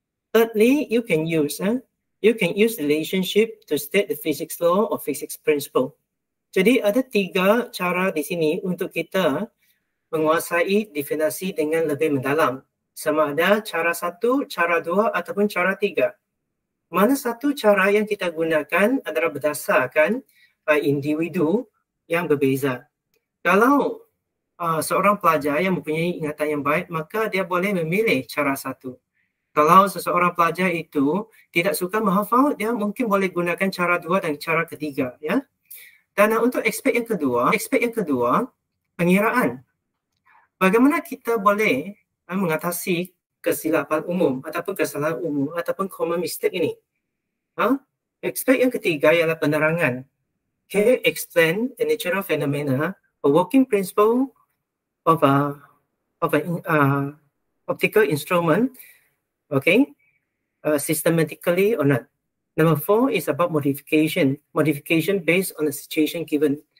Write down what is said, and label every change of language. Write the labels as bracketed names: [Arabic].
[English] Thirdly, you can use relationship to state the physics law or physics principle. [Malay] Jadi ada tiga cara di sini untuk kita menguasai definisi dengan lebih mendalam. Sama ada cara satu, cara dua, ataupun cara tiga. Mana satu cara yang kita gunakan adalah berdasarkan individu yang berbeza. Kalau seorang pelajar yang mempunyai ingatan yang baik, maka dia boleh memilih cara satu. Kalau seseorang pelajar itu tidak suka menghafal, dia mungkin boleh gunakan cara dua dan cara ketiga, ya. Dan untuk aspek yang kedua, pengiraan. Bagaimana kita boleh mengatasi kesilapan umum ataupun kesalahan umum ataupun common mistake ini? Aspek yang ketiga ialah penerangan. [English] Can you explain the natural phenomena, a working principle of an optical instrument, systematically or not? Number four is about modification based on the situation given.